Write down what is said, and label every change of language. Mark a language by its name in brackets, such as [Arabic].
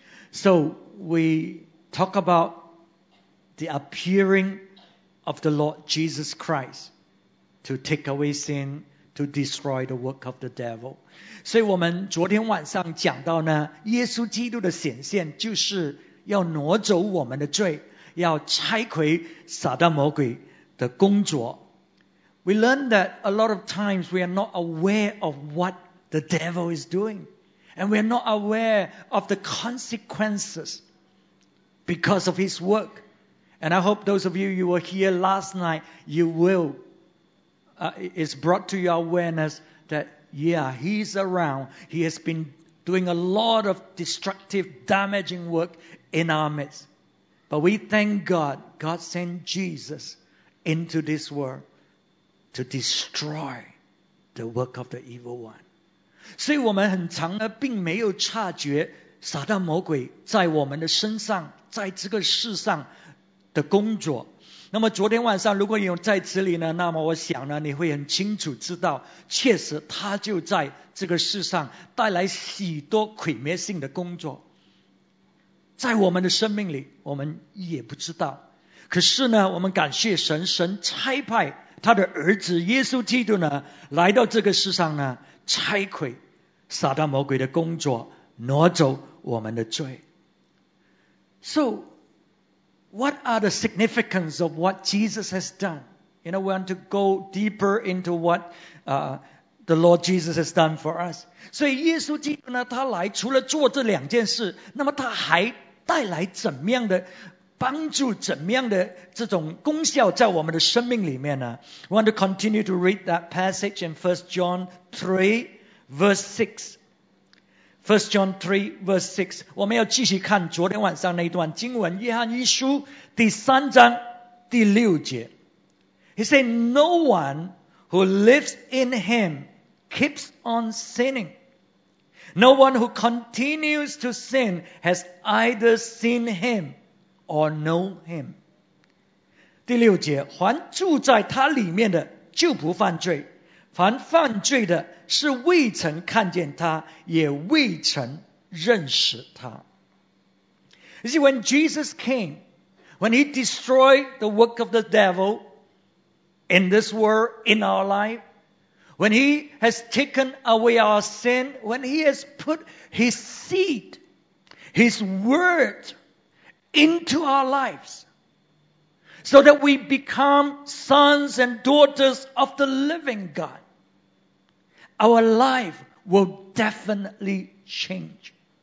[English] So we talk about the appearing of the Lord Jesus Christ to take away sin, to destroy the work of the devil. [Chinese] 所以我们昨天晚上讲到呢，耶稣基督的显现就是要挪走我们的罪，要拆毁撒旦魔鬼的工作。 [English] We learn that a lot of times we are not aware of what the devil is doing. And we are not aware of the consequences because of his work. And I hope those of you who were here last night, you will. It's brought to your awareness that, yeah, he's around. He has been doing a lot of destructive, damaging work in our midst. But we thank God. God sent Jesus into this world to destroy the work of the evil one. [Chinese] 所以我们很常呢并没有察觉撒旦魔鬼在我们的身上在这个世上的工作。那么昨天晚上如果你有在这里呢，那么我想呢你会很清楚知道，确实他就在这个世上带来许多毁灭性的工作。在我们的生命里我们也不知道。可是呢我们感谢神，神差派他的儿子耶稣基督呢来到这个世上呢拆毁撒旦魔鬼的工作，挪走我们的罪。 [English] So what are the significance of what Jesus has done? You know, we want to go deeper into what the Lord Jesus has done for us. [Chinese] 所以耶稣基督呢他来除了做这两件事，那么他还带来怎么样的帮助，怎么样的这种功效在我们的生命里面呢？ [English] We want to continue to read that passage in 1 John 3 verse 6. 1 John 3 verse 6. [Chinese] 我们要继续看昨天晚上那一段经文，约翰一书第三章第六节。 [English] He said, No one who lives in him keeps on sinning. No one who continues to sin has either seen him,or know him. [Chinese] 第六节，凡住在他里面的就不犯罪，凡犯罪的是未曾看见他，也未曾认识他。 [English] You see, when Jesus came, when he destroyed the work of the devil in this world, in our life, when he has taken away our sin, when he has put his seed, his word,into our lives, so that we become sons and daughters of the living God, our life will definitely change.